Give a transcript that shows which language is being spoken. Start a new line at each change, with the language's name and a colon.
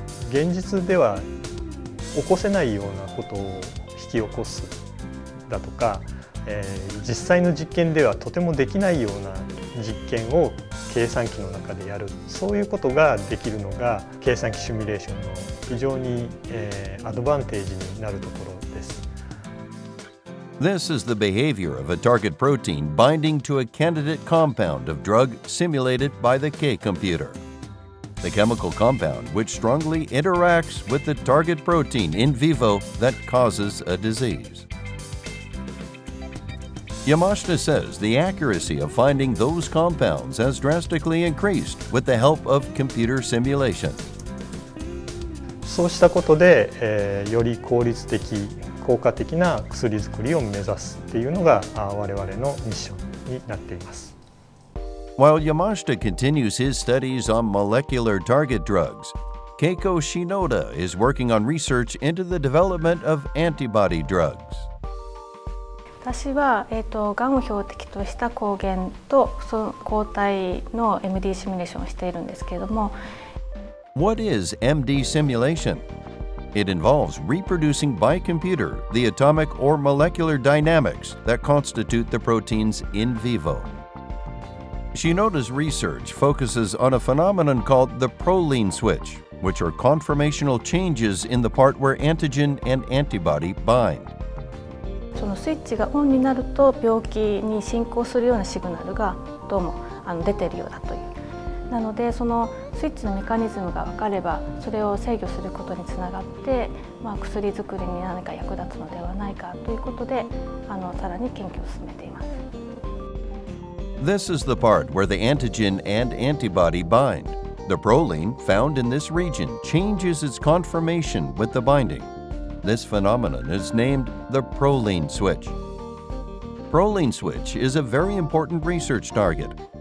Japanese: 現実では起こせないようなことを引き起こすだとか、実際の実験ではとてもできないような実験を計算機の中でやる、そういうことができるのが計算機シミュレーションの非常にアドバンテージになるところです。
English: This is the behavior of a target protein binding to a candidate compound of drug simulated by the K computer. The chemical compound which strongly interacts with the target protein in vivo that causes a disease. Yamashita says the accuracy of finding those compounds has drastically increased with the help of computer simulation. So
Japanese: したことで、より効率的、効果的な薬作りを目指すっていうのが、我々のミッションになっています。
English: While Yamashita continues his studies on molecular target drugs, Keiko Shinoda is working on research into the development of antibody drugs.
Japanese: 私は、がんを標的とした抗原とその抗体の MD シミュレーションをしているんですけれども。
English: What is MD simulation? It involves reproducing by computer the atomic or molecular dynamics that constitute the proteins in vivo. Shinoda's research focuses on a phenomenon called the proline switch, which are conformational changes in the part where antigen and antibody bind.
Japanese: そのスイッチがオンになると病気に進行するようなシグナルがどうも出ているようだという。なのでそのスイッチのメカニズムが分かればそれを制御することにつながって、まあ、薬作りに何か役立つのではないかということでさらに研究を進めています。
English: This is the part where the antigen and antibody bind. The proline found in this region changes its conformation with the binding. This phenomenon is named the proline switch. Proline switch is a very important research target.